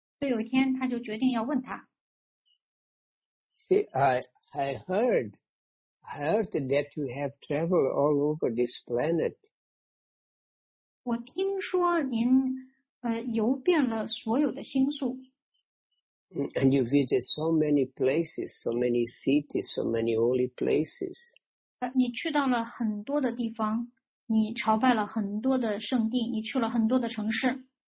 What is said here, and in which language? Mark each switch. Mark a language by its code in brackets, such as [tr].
[zh] 所以有一天他就决定要问他, [en] See, I heard that you have traveled all over this planet. [zh] 我听说您 游遍了所有的星宿, [en] and you visit so many places, so many cities, so many holy places. [zh] 你去到了很多的地方, 你朝拜了很多的圣地, 你去了很多的城市。